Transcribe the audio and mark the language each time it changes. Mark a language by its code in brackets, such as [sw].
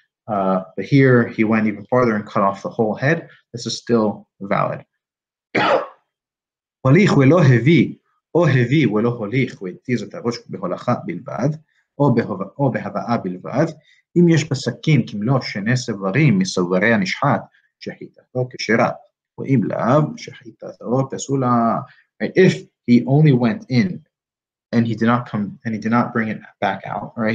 [en] But here he went even farther and cut off the whole head. This is still valid. [he] הוליך ולא הביא, או הביא ולא הוליך, והתיז את הראש בהולכה בלבד, או בהבאה בלבד, אם יש בסכין כמלוא שני סברים מסברי הנשחת, שחיטתו כשרה, ואם לאו, שחיטתו פסולה. [en] If he only went in, and he did not come, and he did not bring it back out, right?